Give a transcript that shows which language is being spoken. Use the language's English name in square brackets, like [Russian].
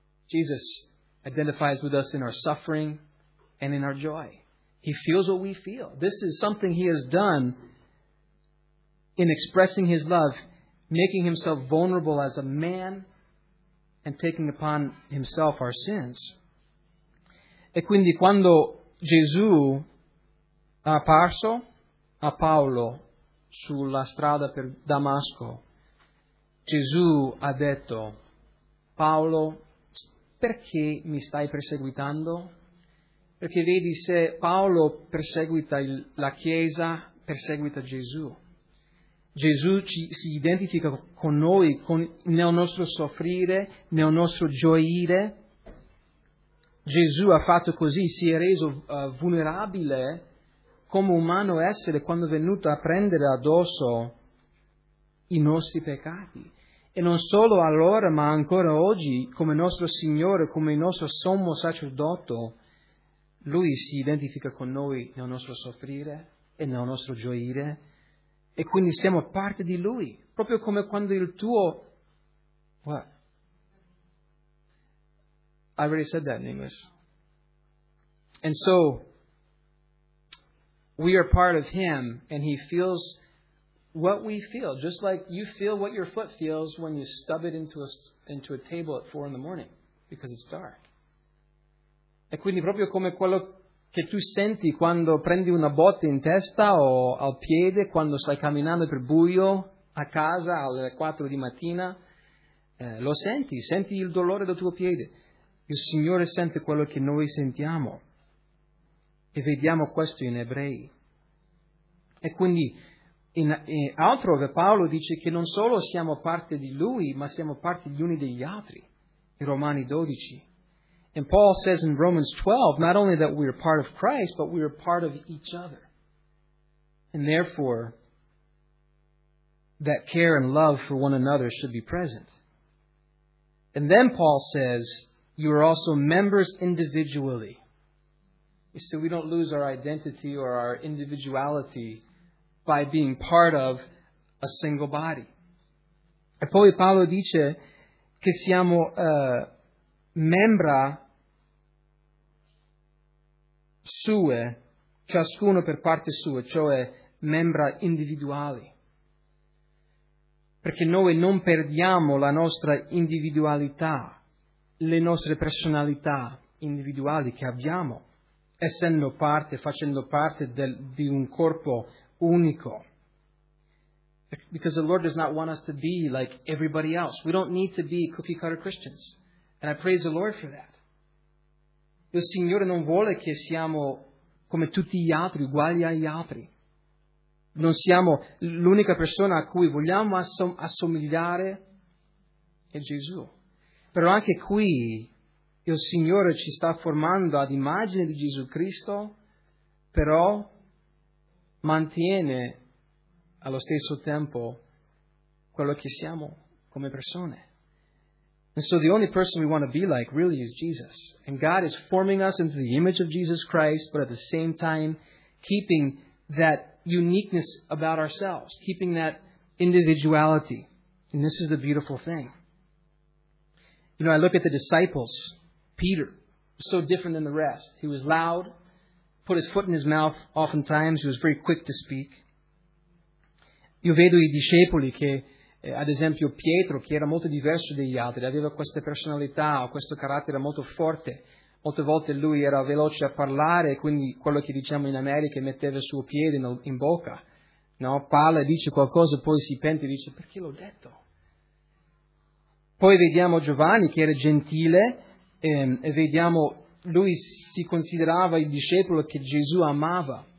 [English] Jesus identifies with us in our suffering and in our joy. He feels what we feel. This is something he has done in expressing his love, making himself vulnerable as a man and taking upon himself our sins. [Italian] E quindi quando Gesù è apparso a Paolo sulla strada per Damasco, Gesù ha detto, Paolo, perché mi stai perseguitando? Perché vedi, se Paolo perseguita la Chiesa, perseguita Gesù. Gesù si identifica con noi, nel nostro soffrire, nel nostro gioire. Gesù ha fatto così, si è reso vulnerabile come umano essere quando è venuto a prendere addosso i nostri peccati. E non solo allora, ma ancora oggi, come nostro Signore, come il nostro Sommo Sacerdote, Lui si identifica con noi nel nostro soffrire e nel nostro gioire, e quindi siamo parte di Lui, proprio come quando il tuo... [English] What? I already said that in English. And so, we are part of Him, and He feels what we feel, just like you feel what your foot feels when you stub it into a table at 4 a.m, because it's dark. [Italian] E quindi proprio come quello che tu senti quando prendi una botta in testa o al piede, quando stai camminando per buio a casa alle 4 di mattina, lo senti il dolore del tuo piede. Il Signore sente quello che noi sentiamo e vediamo questo in Ebrei. E quindi in altrove Paolo dice che non solo siamo parte di Lui, ma siamo parte gli uni degli altri, in Romani 12. [English] And Paul says in Romans 12, not only that we are part of Christ, but we are part of each other. And therefore, that care and love for one another should be present. And then Paul says, you are also members individually. You see, we don't lose our identity or our individuality by being part of a single body. [Italian] E poi Paolo dice che siamo membra sue, ciascuno per parte sua, cioè membra individuali, perché noi non perdiamo la nostra individualità, le nostre personalità individuali che abbiamo, essendo parte, facendo parte di un corpo unico. [English] Because the Lord does not want us to be like everybody else. We don't need to be cookie cutter Christians, and I praise the Lord for that. [Italian] Il Signore non vuole che siamo come tutti gli altri, uguali agli altri. Non siamo l'unica persona a cui vogliamo assomigliare, è Gesù. Però anche qui il Signore ci sta formando ad immagine di Gesù Cristo, però mantiene allo stesso tempo quello che siamo come persone. [English] And so the only person we want to be like really is Jesus. And God is forming us into the image of Jesus Christ, but at the same time, keeping that uniqueness about ourselves, keeping that individuality. And this is the beautiful thing. You know, I look at the disciples. Peter, so different than the rest. He was loud, put his foot in his mouth oftentimes. He was very quick to speak. [Italian] Io vedo I discepoli che... Ad esempio Pietro, che era molto diverso degli altri, aveva questa personalità, questo carattere molto forte. Molte volte lui era veloce a parlare, quindi quello che diciamo in America metteva il suo piede in bocca. No? Parla, dice qualcosa, poi si pente e dice, perché l'ho detto? Poi vediamo Giovanni, che era gentile, e vediamo, lui si considerava il discepolo che Gesù amava.